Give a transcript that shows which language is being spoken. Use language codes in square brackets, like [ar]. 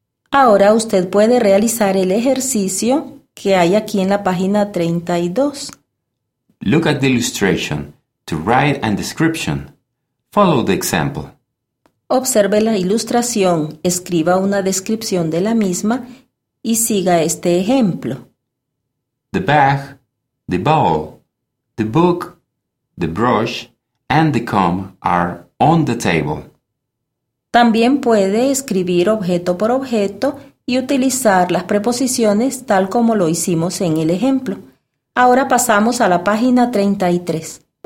[es] Ahora usted puede realizar el ejercicio que hay aquí en la página 32. [en] Look at the illustration to write a description. Follow the example. [es] Observe la ilustración, escriba una descripción de la misma y siga este ejemplo. [en] The bag, the bowl, the book, the brush, and the comb are on the table. [es] También puede escribir objeto por objeto y utilizar las preposiciones tal como lo hicimos en el ejemplo. Ahora pasamos a la página 33.